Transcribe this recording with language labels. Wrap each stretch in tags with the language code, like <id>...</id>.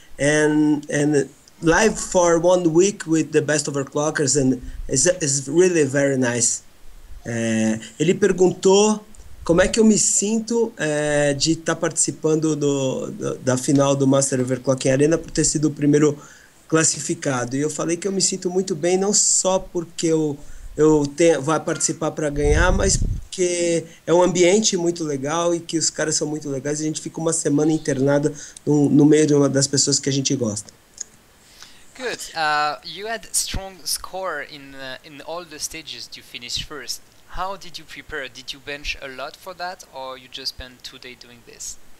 <en>And live for 1 week with the best overclockers and is really very nice.</en> <pt>Ele perguntou como é que eu me sinto de estar participando da final do Master Overclocking Arena por ter sido o primeiro classificado. E eu falei que eu me sinto muito bem, não só porque vou participar para ganhar, mas porque é um ambiente muito legal e que os caras são muito legais. E a gente fica uma semana internado no meio de uma das pessoas que a gente gosta.</pt> <en>Good. You had strong score in all the stages you finished first. How did you prepare? Did you bench a lot for that, or you just spent 2 days doing this?</en>